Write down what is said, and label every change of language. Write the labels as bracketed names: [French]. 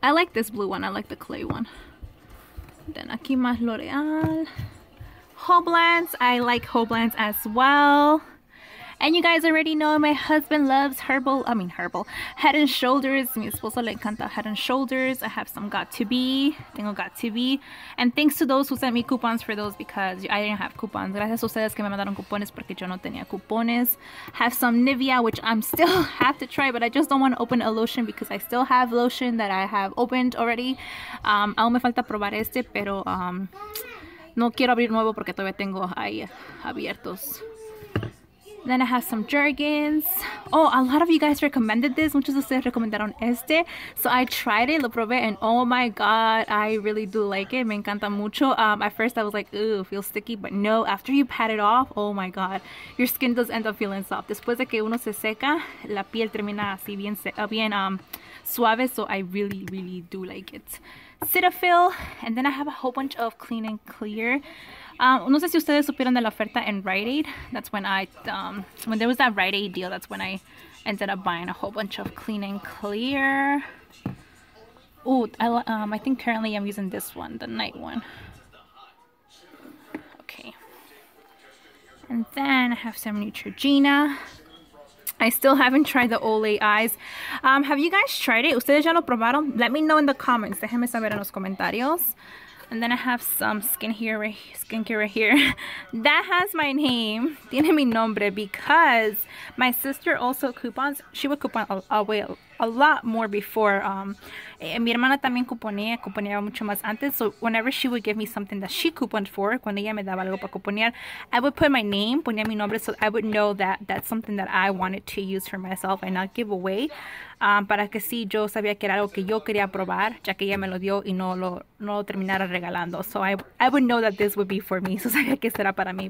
[English] I like this blue one. I like the clay one. Then [Spanish] aquí más [English] L'Oreal. Whole blends. I like whole blends as well. And you guys already know my husband loves herbal. [Spanish] Head and Shoulders. Mi esposo le encanta Head and Shoulders. [English] I have some Got2Be. [Spanish] Tengo Got2Be. [English] And thanks to those who sent me coupons for those, because I didn't have coupons. [Spanish] Gracias a ustedes que me mandaron cupones porque yo no tenía cupones. [English] Have some Nivea, which I'm still have to try, but I just don't want to open a lotion because I still have lotion that I have opened already. [Spanish] Aún me falta probar este, pero no quiero abrir nuevo porque todavía tengo ahí abiertos. [English] Then I have some Jergens. Oh, a lot of you guys recommended this. [Spanish] Muchos de ustedes recomendaron este. [English] So I tried it, [Spanish] lo probé, [English] and oh my god, I really do like it. [Spanish] Me encanta mucho. [English] At first I was like, ooh, feels sticky. But no, after you pat it off, oh my god, your skin does end up feeling soft. [Spanish] Después de que uno se seca, la piel termina así bien, bien suave. [English] So I really, really do like it. Cetaphil, and then I have a whole bunch of Clean and Clear. [Spanish] No sé si ustedes supieron de la oferta en Rite Aid. [English] That's when I, when there was that Rite Aid deal, that's when I ended up buying a whole bunch of Clean and Clear. Oh, I think currently I'm using this one, the night one. Okay. And then I have some Neutrogena. I still haven't tried the Olay eyes. Have you guys tried it? [Spanish] ¿Ustedes ya lo probaron? [English] Let me know in the comments. [Spanish] Déjenme saber en los comentarios. [English] And then I have some skincare right here. That has my name. [Spanish] Tiene mi nombre [English] because my sister also coupons. She would coupon a lot more before. [Spanish] Mi hermana también couponeaba mucho más antes. [English] So whenever she would give me something that she couponed for, [Spanish] cuando ella me daba algo para couponear, [English] I would put my name, [Spanish] ponía mi nombre, [English] so I would know that that's something that I wanted to use for myself and not give away. [Spanish] Para que sí, yo sabía que era algo que yo quería probar, ya que ella me lo dio y no lo terminara regalando. [English] So I would know that this would be for me. So [Spanish] sabía que será para mí.